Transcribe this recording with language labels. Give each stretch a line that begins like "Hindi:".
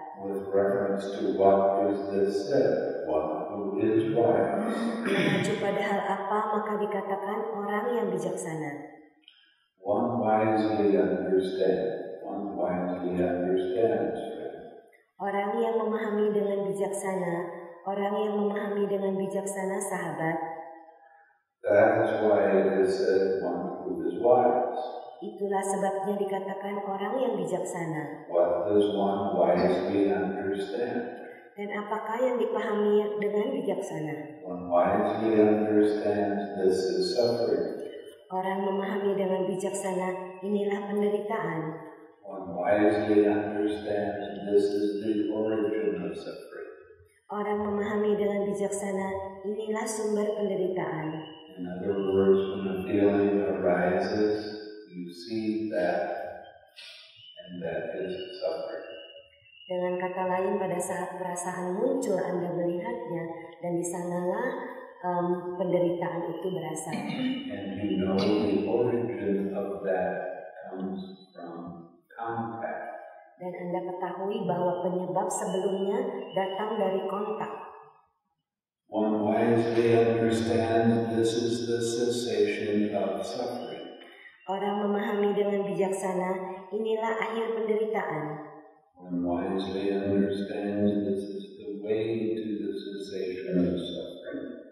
English: With reference to what is this said, one who is wise.
Indonesian: Mengacu pada hal apa maka dikatakan orang yang bijaksana.
English: wisely understand, one wisely understands.
Indonesian: Orang yang memahami dengan bijaksana, orang yang memahami dengan bijaksana, sahabat.
English: That is why it is said one who is wise.
Indonesian: Itulah sebabnya dikatakan orang yang bijaksana.
English: What does one wisely understand?
Indonesian: Dan apakah yang dipahami dengan bijaksana?
English: One wisely understands this is suffering.
Indonesian: Orang memahami dengan bijaksana, inilah penderitaan.
English: One wisely understands this is the origin of suffering.
Indonesian: Orang memahami dengan bijaksana, inilah sumber penderitaan.
English: In other words, when a feeling arises, you see that, and that is suffering.
Indonesian: Dengan kata lain, pada saat perasaan muncul, Anda melihatnya, dan di sanalah penderitaan itu berasal.
English: And you know the origin of that comes from contact.
Indonesian: Dan Anda ketahui bahwa penyebab sebelumnya datang dari kontak.
English: One wisely understands this is the cessation of suffering.
Indonesian: Orang memahami dengan bijaksana, inilah akhir penderitaan.
English: One wisely understands this is the way to the cessation of suffering.